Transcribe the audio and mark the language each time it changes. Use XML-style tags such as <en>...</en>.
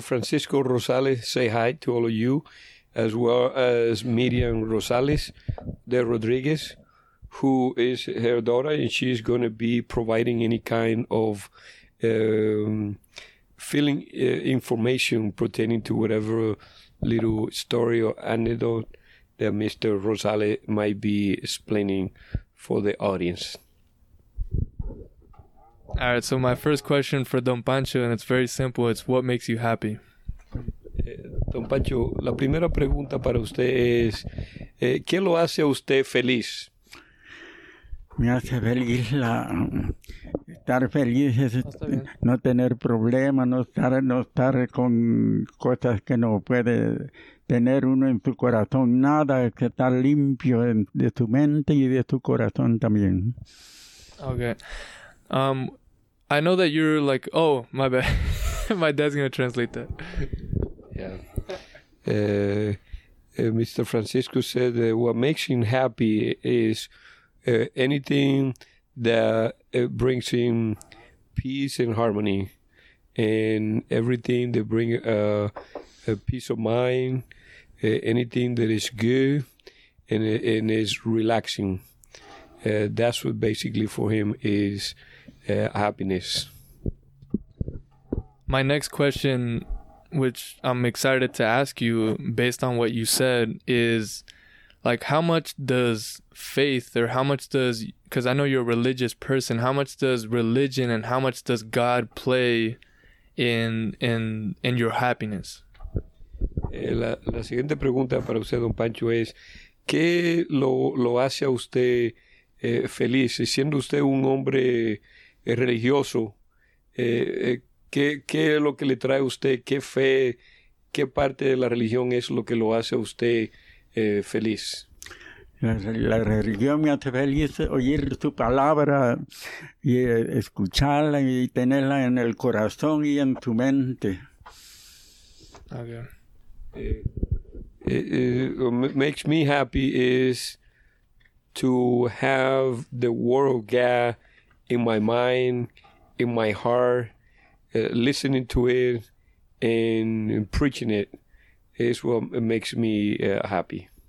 <en>Francisco Rosales, say hi to all of you, as well as Miriam Rosales de Rodriguez, who is her daughter, and she's going to be providing any kind of filling information pertaining to whatever little story or anecdote that Mr. Rosales might be explaining for the audience. All right, so my first question for Don Pancho, and it's very simple, it's what makes you happy?</en> <es>Don Pancho, la primera pregunta para usted es, ¿qué lo hace a usted feliz? Me hace feliz estar feliz, es no tener problemas, no estar con cosas que no puede tener uno en su corazón, nada, que estar limpio de su mente y de su corazón también.</es> <en>Okay. I know that you're like, oh, my bad. My dad's going to translate that. Yeah. Mr. Francisco said that what makes him happy is anything that brings him peace and harmony, and everything that brings a peace of mind, anything that is good and is relaxing. That's what basically for him is happiness. My next question, which I'm excited to ask you based on what you said, is like, how much does faith, or how much does, because I know you're a religious person, how much does religion and how much does God play in your happiness?</en> <es>La siguiente pregunta para usted, Don Pancho, es ¿qué lo hace a usted feliz? Siendo usted un hombre religioso, ¿qué es lo que le trae a usted? ¿Qué fe, qué parte de la religión es lo que lo hace a usted feliz? La religión me hace feliz oír su palabra y escucharla y tenerla en el corazón y en tu mente.</es> <en>Okay. What makes me happy is to have the word of God in my mind, in my heart, listening to it and preaching it is what makes me happy.</en>